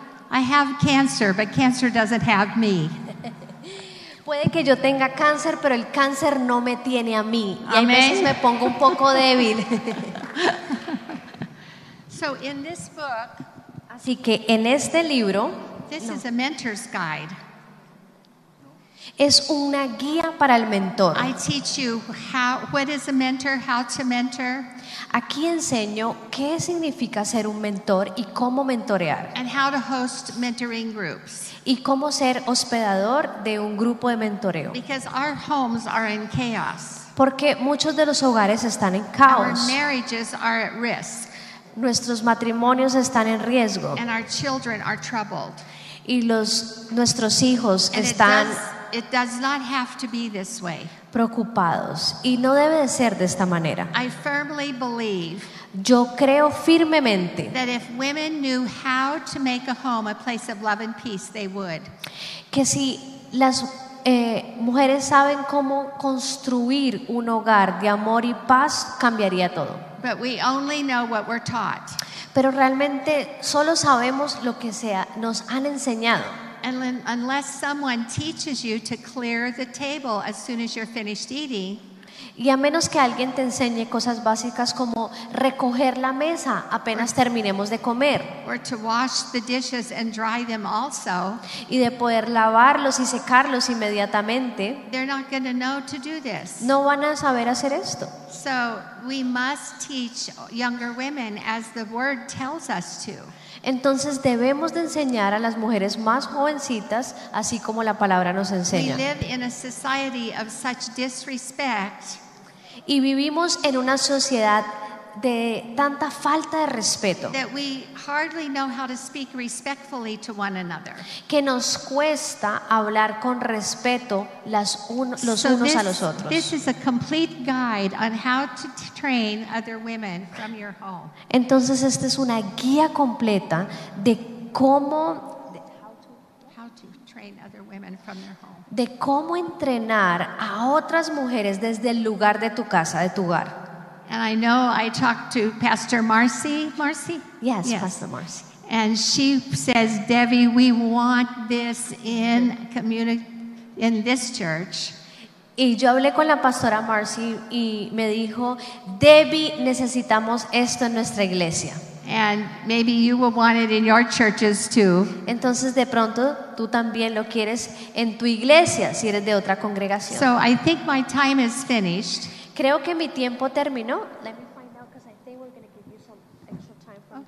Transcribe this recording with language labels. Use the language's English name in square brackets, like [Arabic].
[English] I have cancer, but cancer doesn't have me. [Spanish] Puede que yo tenga cáncer, pero el cáncer no me tiene a mí. Y hay veces me pongo un poco débil. [English] So in this book, [Spanish] así que en este libro, [English] this is a mentor's guide. [Spanish] Es una guía para el mentor. [English] I teach you what is a mentor, how to mentor. [Spanish] Aquí enseño qué significa ser un mentor y cómo mentorear. [English] And how to host mentoring groups. [Spanish] Y cómo ser hospedador de un grupo de mentoreo. [English] Because our homes are in chaos. [Spanish] Porque muchos de los hogares están en caos. [English] Our marriages are at risk. [Spanish] Nuestros matrimonios están en riesgo. [English] And our children are troubled. [Spanish] Y nuestros hijos están [English] it does not have to be this way. [Spanish] Preocupados, y no debe de ser de esta manera. [English] I firmly believe. [Spanish] Yo creo firmemente [English] that if women knew how to make a home a place of love and peace, they would. [Spanish] Que si las mujeres saben cómo construir un hogar de amor y paz, cambiaría todo. [English] But we only know what we're taught. [Spanish] Pero realmente solo sabemos lo que nos han enseñado. [English] unless someone teaches you to clear the table as soon as you're finished eating. [Spanish] Y a menos que alguien te enseñe cosas básicas como recoger la mesa apenas terminemos de comer. [English] Or to wash the dishes and dry them also. [Spanish] Y de poder lavarlos y secarlos inmediatamente. [English] They're not going to know to do this. [Spanish] No van a saber hacer esto. [English] So we must teach younger women as the word tells us to. [Spanish] Entonces debemos de enseñar a las mujeres más jovencitas así como la palabra nos enseña. [English] We live in a society of such disrespect, [Spanish] y vivimos en una sociedad de tanta falta de respeto [English] that we hardly know how to speak respectfully to one another. [Spanish] Que nos cuesta hablar con respeto los unos a los otros. [English] This is a complete guide on how to train other women from your home. [Spanish] Entonces esta es una guía completa de cómo [English] train other women from their home. [Spanish] De cómo entrenar a otras mujeres desde el lugar de tu casa, de tu hogar. [English] And I know I talked to Pastor Marcy? Yes, Pastor Marcy. And she says, Debbie, we want this in this church. [Spanish] Y yo hablé con la pastora Marcy y me dijo, Debbie, necesitamos esto en nuestra iglesia. [English] And maybe you will want it in your churches too. [Spanish] Entonces de pronto tú también lo quieres en tu iglesia si eres de otra congregación. [English] So I think my time is finished. [Spanish] Creo que mi tiempo terminó. [English] Let me find out because I think we're going to give you some extra time for